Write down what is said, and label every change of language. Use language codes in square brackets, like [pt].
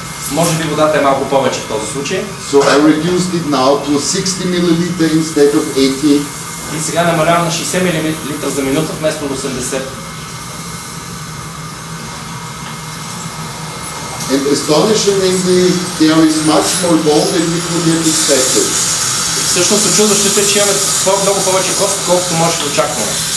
[bg] Може би водата е малко повече в този случай. [en] So I reduced it now to 60 ml instead of 80. [bg] И сега намалявам на 60 ml за минута вместо 80. [en] And astonishingly, there is much more bone than we could have expected. [bg] Всъщност очудващото е, че имаме много повече кост, колкото може да очакваме.